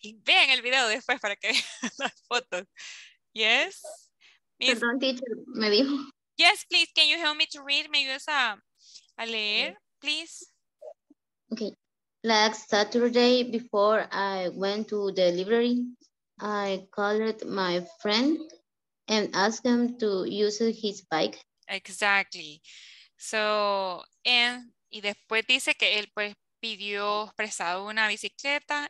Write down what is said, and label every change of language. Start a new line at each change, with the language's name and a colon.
Spanish: Vean el video después para que vean las fotos.
English: Yes?
Spanish: Miss... Perdón, teacher, me dijo.
English: Yes, please, can you help me to read?
Spanish: ¿Me ayudas a leer, please?
English: Okay. Last Saturday, before I went to the library, I called my friend and asked him to use his bike. Exactly. So, and...
Spanish: Y después dice que él pues pidió prestado una bicicleta.